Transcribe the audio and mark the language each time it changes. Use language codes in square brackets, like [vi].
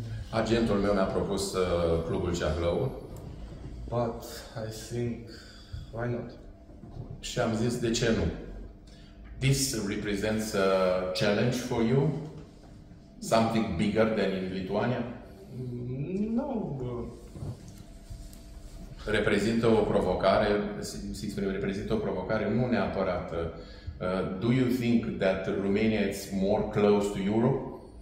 [ro] Agentul meu mi-a propus clubul Chaplau. [en] But I think, why not? [ro] Și am zis, de ce nu? [en] This represents a challenge for you? Something bigger than in Lithuania? No. [ro] Reprezintă o provocare, reprezintă o provocare nu neapărat. [en] Do you think that Romania is more close to Europe?